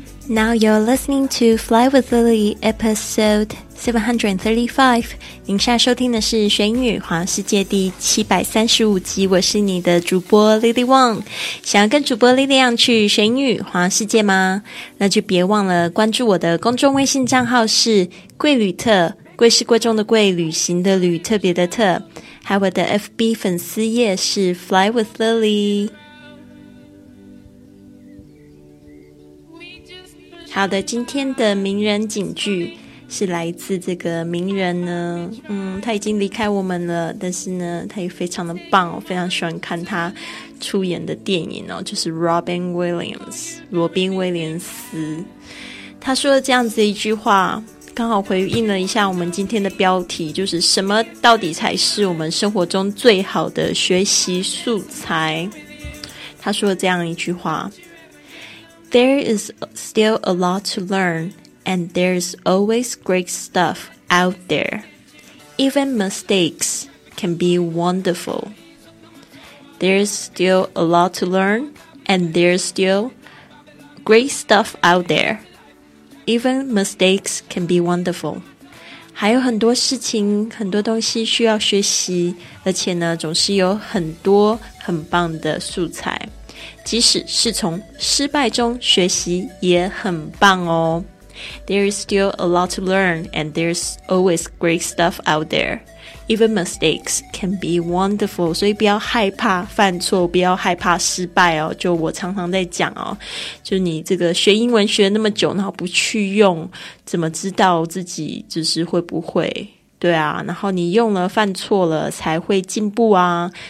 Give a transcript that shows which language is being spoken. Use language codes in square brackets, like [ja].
[en] Now you're listening to Fly with Lily, episode 735. [zh] 您现在收听的是《学英语环游世界》第735集。我是你的主播 Lily Wang。想要跟主播 Lily Wang 去学英语环游世界吗？那就别忘了关注我的公众微信账号是贵旅特，贵是贵重的贵，旅行的旅，特别的特。还有我的 FB 粉丝页是 Fly with Lily。好的，今天的名人警句是来自这个名人呢，他已经离开我们了，但是呢他也非常的棒，我非常喜欢看他出演的电影哦，就是 Robin Williams， 罗宾威廉斯。他说了这样子一句话，刚好回应了一下我们今天的标题，就是什么到底才是我们生活中最好的学习素材。他说了这样一句话， [en] There is still a lot to learn, and there's always great stuff out there. Even mistakes can be wonderful. There's still a lot to learn, and there's still great stuff out there. Even mistakes can be wonderful. [zh] 还有很多事情，很多东西需要学习，而且呢，总是有很多很棒的素材。即使是从失败中学习也很棒哦。 [en] There is still a lot to learn, and there's always great stuff out there. Even mistakes can be wonderful. [zh] 所以不要害怕犯错，不要害怕失败哦。就我常常在讲哦，就你这个学英文学那么久，然后不去用，怎么知道自己就是会不会，对啊，然后你用了犯错了才会进步啊。